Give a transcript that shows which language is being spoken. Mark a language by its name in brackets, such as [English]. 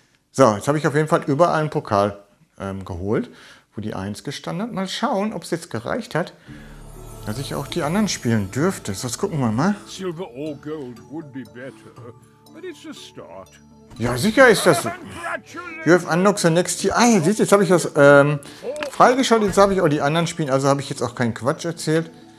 [German] So, jetzt habe ich auf jeden Fall überall einen Pokal geholt, wo die 1 gestanden hat. Mal schauen, ob es jetzt gereicht hat, dass ich auch die anderen spielen dürfte. So, das gucken wir mal. [English] Silver or gold would be better, but it's a start. [German] Ja, sicher ist das. [English] You have unlocked the next tier. [German] Ah, siehst du, jetzt habe ich das freigeschaltet. Jetzt habe ich auch die anderen spielen. Also habe ich jetzt auch keinen Quatsch erzählt.